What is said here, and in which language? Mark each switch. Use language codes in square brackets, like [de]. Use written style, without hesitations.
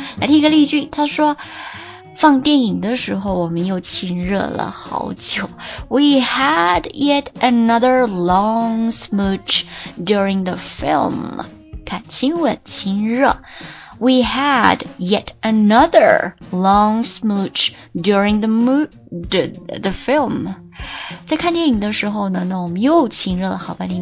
[zh] 来听一个例句，他说放电影的时候我们又亲热了好久。 [en] We had yet another long smooch during the film. [zh] 看亲吻亲热。 [en] We had yet another long smooch during the film. [zh] 在看电影的时候呢，那我们又亲热了好半天。